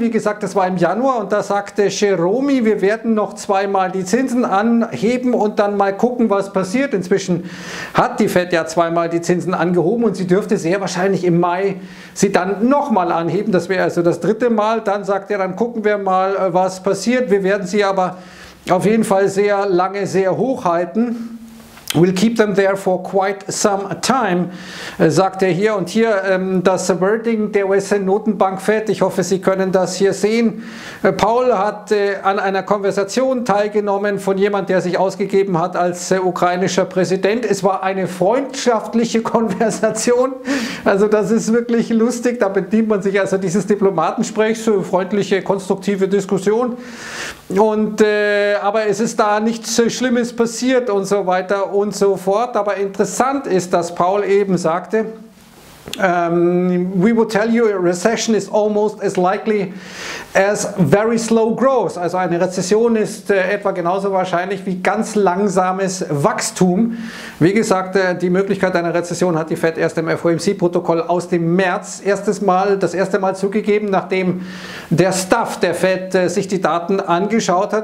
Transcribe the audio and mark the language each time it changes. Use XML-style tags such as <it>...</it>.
<de>Wie gesagt, das war im Januar und da sagte Jerome, wir werden noch zweimal die Zinsen anheben und dann mal gucken, was passiert. Inzwischen hat die Fed ja zweimal die Zinsen angehoben und sie dürfte sehr wahrscheinlich im Mai sie dann nochmal anheben. Das wäre also das dritte Mal. Dann sagt er, dann gucken wir mal, was passiert. Wir werden sie aber auf jeden Fall sehr lange sehr hoch halten.</de> <en>We'll keep them there for quite some time,</en> <de>sagt er hier. Und hier das Wording der US-Notenbank Fed. Ich hoffe, Sie können das hier sehen. Paul hat an einer Konversation teilgenommen von jemand, der sich ausgegeben hat als ukrainischer Präsident. Es war eine freundschaftliche Konversation. Also das ist wirklich lustig. Da bedient man sich also dieses Diplomatensprechs für freundliche, konstruktive Diskussion. Und aber es ist da nichts Schlimmes passiert und so weiter und so fort. Aber interessant ist, dass Paul eben sagte,</de> <en>we will tell you a recession is almost as likely as very slow growth.</en> <de>Also eine Rezession ist etwa genauso wahrscheinlich wie ganz langsames Wachstum. Wie gesagt, die Möglichkeit einer Rezession hat die Fed erst im FOMC-Protokoll aus dem März das erste Mal zugegeben, nachdem der Staff der Fed sich die Daten angeschaut hat.</de>